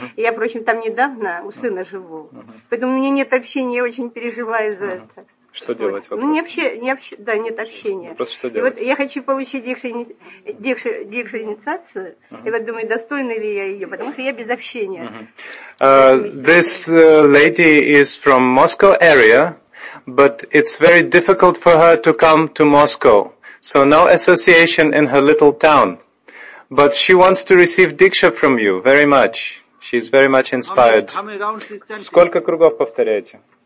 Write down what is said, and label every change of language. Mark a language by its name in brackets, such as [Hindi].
[Russian] Я, впрочем, там недавно у сына живу. Поэтому у меня нет общения, я очень переживаю за это. Что делать вообще? Ну, нет общения. Просто что делать? Вот я хочу получить дикшу инициацию, и вот думаю, достойна ли я ее, потому что я без общения. [English] This lady is from Moscow area, but it's very difficult for her to come to Moscow. So no association in her little town. But she wants to receive diksha from you very much. She is very much inspired. [Russian] Сколько кругов повторяете?